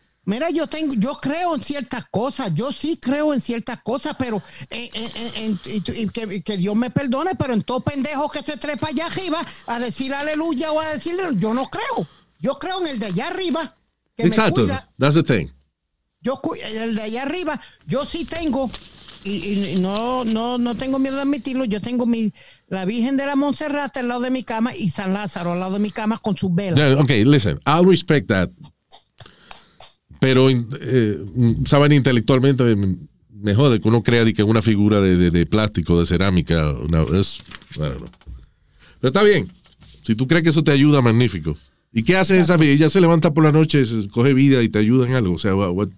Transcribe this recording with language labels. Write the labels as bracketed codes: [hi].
[es] Mira, yo creo en ciertas cosas. Yo sí creo en ciertas cosas, pero y que Dios me perdone, pero en todo pendejo que se trepa allá arriba a decir aleluya o a decirle, yo no creo. Yo creo en el de allá arriba. Que exacto. Me cuida. [en] That's the thing. [es] Yo el de allá arriba, yo sí tengo. Y no tengo miedo de admitirlo. Yo tengo la Virgen de la Monserrate al lado de mi cama y San Lázaro al lado de mi cama con sus velas. [en] Yeah, ok, listen, I'll respect that. [es] Pero, saben, intelectualmente me jode que uno crea que una figura de plástico, de cerámica. No, es, [en] I don't know. [es] Pero está bien. Si tú crees que eso te ayuda, magnífico. ¿Y qué hacen esas vidas? ¿Ella se levanta por la noche, se coge vida y te ayuda en algo? O sea, what?